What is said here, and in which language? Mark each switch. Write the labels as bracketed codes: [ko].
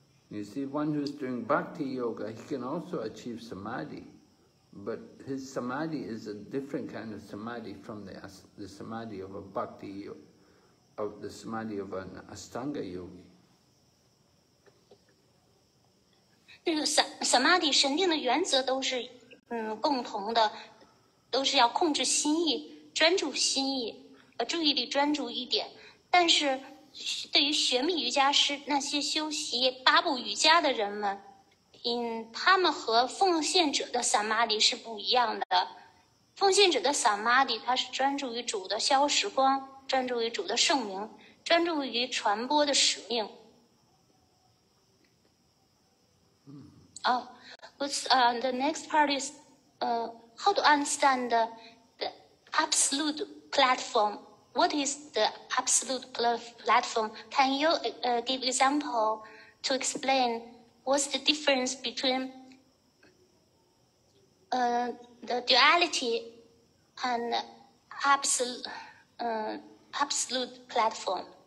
[en] You see, one who's doing bhakti yoga, he can also achieve samadhi. But his samadhi is a different kind of samadhi from the samadhi of a bhakti, of the samadhi of an astanga yogi. [zh] Samadhi 神定的原则都是共同的，都是要控制心意，专注心意，注意力专注一点。但是对于学密瑜伽师，那些修习八部瑜伽的人们，他们和奉献者的萨玛迪是不一样的。奉献者的萨玛迪，他是专注于主的消时光，专注于主的圣名，专注于传播的使命。 [en] The next part is how to understand the absolute platform. What is the absolute platform? Can you give example to explain what's the difference between the duality and absolute platform?